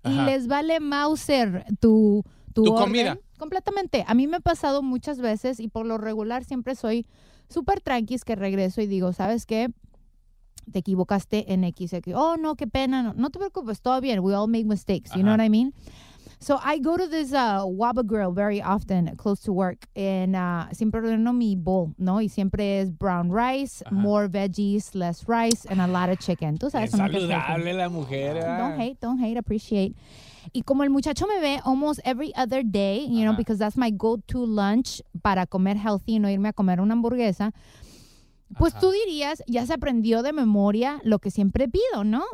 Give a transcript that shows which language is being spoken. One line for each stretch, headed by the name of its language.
Spanish: Ajá. Y les vale mauser tu orden. Comida. Completamente. A mí me ha pasado muchas veces y por lo regular siempre soy súper tranqui, es que regreso y digo, ¿sabes qué? Te equivocaste en X. Oh, no, qué pena. No te preocupes, todo bien.
English: We all make mistakes. You know what I mean? So I go to this Waba Grill very often, close to work. And
Spanish: siempre ordeno mi bowl, ¿no? Y siempre es
English: brown rice, more veggies, less rice, and a lot of chicken.
Spanish: ¿Tú sabes? Es saludable la mujer.
English: Don't hate, appreciate.
Spanish: Y como el muchacho me ve
English: almost every other day, you know, because that's my go-to lunch
Spanish: para comer healthy y no irme a comer una hamburguesa, pues tú dirías, ya se aprendió de memoria lo que siempre pido, ¿no?